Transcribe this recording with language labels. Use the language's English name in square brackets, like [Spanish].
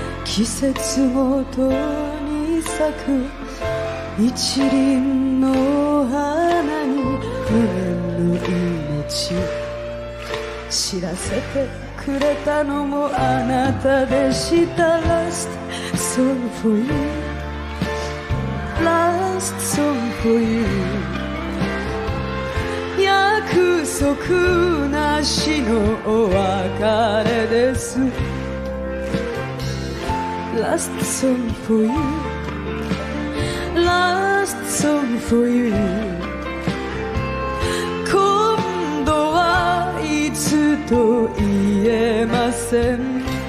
[Japanese] 季節ごとに咲く一輪の花に無限の命、知らせてくれたのもあなたでした。 [English] Last song for you, Last song for you。 [Japanese] 約束なしのお別れです。 [English] Last song for you, Last song for you。 [Japanese] 今度はいつと言えません。